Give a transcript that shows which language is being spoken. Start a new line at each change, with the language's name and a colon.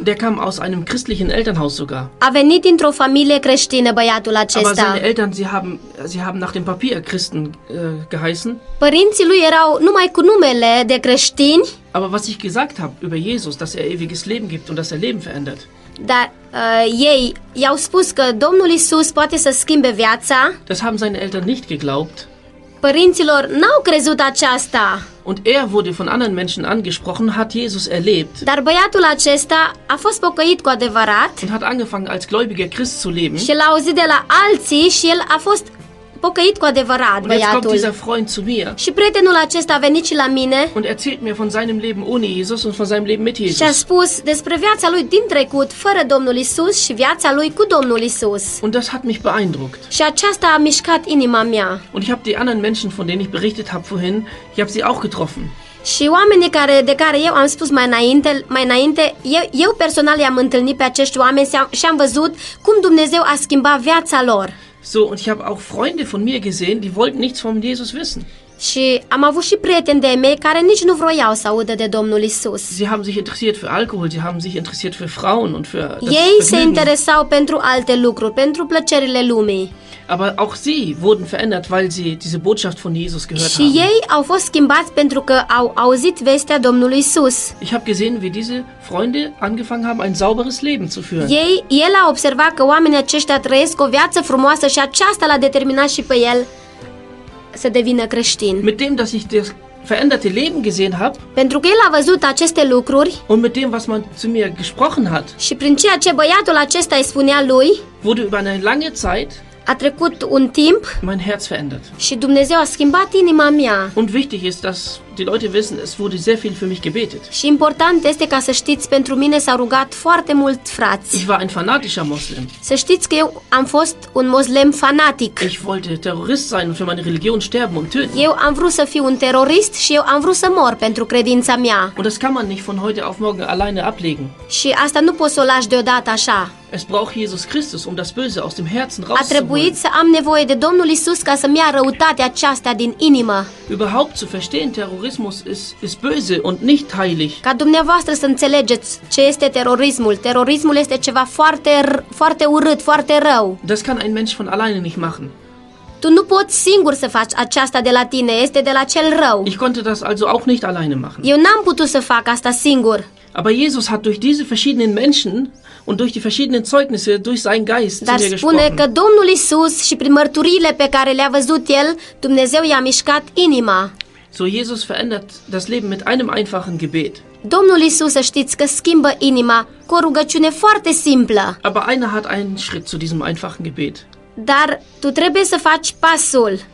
German: Der kam aus einem christlichen Elternhaus sogar.
Romanian: A venit dintr-o familie creștină, băiatul acesta.
German: Aber seine Eltern, sie haben nach dem Papier Christen geheißen.
Romanian: Părinții lui erau numai cu numele de creștini.
German: Aber was ich gesagt habe über Jesus, dass er ewiges Leben gibt und dass er Leben verändert.
Romanian: Dar ei i-au spus că Domnul Iisus poate să schimbe viața.
German: Das haben seine Eltern nicht geglaubt.
Romanian: Părinților n-au crezut aceasta.
German: Und er wurde von anderen Menschen angesprochen, hat Jesus erlebt.
Romanian: Dar băiatul acesta a fost pocăit cu adevărat.
German: Und hat angefangen als gläubiger Christ zu leben.
Romanian: Și l-a auzit de la alții și el a fost pocăit cu adevărat, băiatul.
German: Und jetzt kommt dieser Freund zu mir.
Romanian: Și prietenul acesta a venit și la mine.
German: Und erzählt mir von seinem Leben ohne Jesus und von seinem Leben mit Jesus.
Romanian: Și a spus despre viața lui din trecut fără Domnul Iisus și viața lui cu Domnul Iisus.
German: Und das hat mich beeindruckt.
Romanian: Și aceasta a mișcat inima mea.
German: Und ich habe die anderen Menschen, von denen ich berichtet habe vorhin, ich habe sie auch getroffen.
Romanian: Și oamenii de care eu am spus mai înainte, eu personal i-am întâlnit pe acești oameni și am văzut cum Dumnezeu a schimbat viața lor.
German: So, und ich habe auch Freunde von mir gesehen, die wollten nichts von Jesus wissen.
Romanian: Și am avut și prieteni de-ai mei care nici nu vroiau să audă de Domnul Iisus.
German: Sie haben sich interessiert für Alkohol, sie haben sich interessiert für Frauen und für das Vergnügen.
Romanian: Ei se interesau pentru alte lucruri, pentru plăcerile lumii.
German: Aber auch sie wurden verändert, weil sie diese Botschaft von Jesus gehört haben.
Romanian: Și ei au fost schimbați pentru că au auzit vestea Domnului Iisus.
German: Ich habe gesehen, wie diese Freunde angefangen haben, ein sauberes Leben zu führen.
Romanian: El a observat că oamenii aceștia trăiesc o viață frumoasă și aceasta l-a determinat și pe el să devină creștin.
German: Mit dem, dass ich das veränderte Leben gesehen habe.
Romanian: Pentru că el a văzut aceste lucruri.
German: Und mit dem, was man zu mir gesprochen hat.
Romanian: Și prin ceea ce băiatul acesta îi spunea lui.
German: Wurde über eine lange Zeit.
Romanian: A trecut un timp.
German: Mein Herz verändert.
Romanian: Și Dumnezeu a schimbat inima mea.
German: Und wichtig ist, dass die Leute wissen, es wurde sehr viel für mich gebetet.
Romanian: Și important este ca să știți, pentru mine s-au rugat foarte mult frați.
German: Ich war ein fanatischer Muslim.
Romanian: Să știți că eu am fost un muslim fanatic.
German: Ich wollte Terrorist sein und für meine Religion sterben und töten.
Romanian: Eu am vrut să fiu un terorist și eu am vrut să mor pentru credința mea.
German: Und das kann man nicht von heute auf morgen alleine ablegen.
Romanian: Și asta nu poți să o lași deodată așa.
German: Es braucht Jesus Christus, um das Böse aus dem Herzen rauszuholen.
Romanian: A trebuit să am nevoie de Domnul Iisus ca să-mi ia răutatea aceasta din inimă.
German: Überhaupt zu verstehen, Terrorismus ist böse und nicht heilig.
Romanian: Ca dumneavoastră să înțelegeți ce este terorismul. Terorismul este ceva foarte, foarte urât, foarte rău.
German: Das kann ein Mensch von alleine nicht machen.
Romanian: Tu nu poți singur să faci aceasta de la tine, este de la cel rău.
German: Ich konnte das also auch nicht alleine machen.
Romanian: Eu n-am putut să fac asta singur.
German: Aber Jesus hat durch diese verschiedenen Menschen und durch die verschiedenen Zeugnisse durch seinen Geist zu mir gesprochen.
Romanian: Dar spune că Domnul Iisus și prin mărturiile pe care le-a văzut el, Dumnezeu i-a mișcat inima.
German: So Jesus verändert das Leben mit einem einfachen Gebet.
Romanian: Domnul Iisus, să știți că schimbă inima cu o rugăciune foarte simplă.
German: Aber einer hat einen Schritt zu diesem einfachen Gebet.
Romanian: Dar tu trebuie să faci pasul.